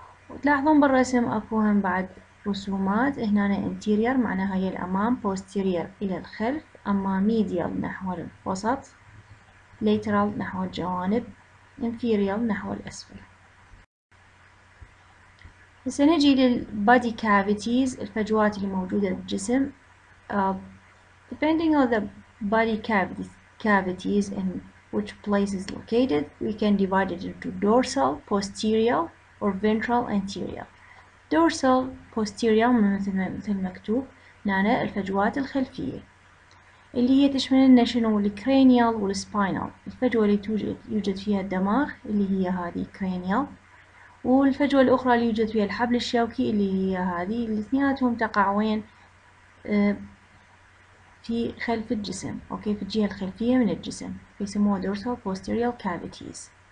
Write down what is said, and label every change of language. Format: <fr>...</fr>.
<ar>وتلاحظون بالرسم اكو هم بعد رسومات، هنا انتيرير معناها هي الامام، بوستيرير الى الخلف، اما ميديال نحو الوسط، ليترال نحو الجوانب، انفيريال نحو الاسفل. بس نجي للبادي كافيتيز، الفجوات اللي موجودة بالجسم.</ar> <en>Depending on the body cavities and which place is located, we can divide it into dorsal, posterior, or ventral, anterior.</en> <ar>Dorsal, posterior, مثل مكتوب نانا الفجوات الخلفية اللي هي تشمل النشن والكرانيال والسباينال. الفجوة اللي يوجد فيها الدماغ اللي هي هذه كرانيال، والفجوة الأخرى اللي يوجد فيها الحبل الشوكي اللي هي هذه، الاثنيناتهم تقع وين؟ في خلف الجسم، اوكي، في الجهة الخلفية من الجسم، يسموها dorsal posterior cavities.</ar>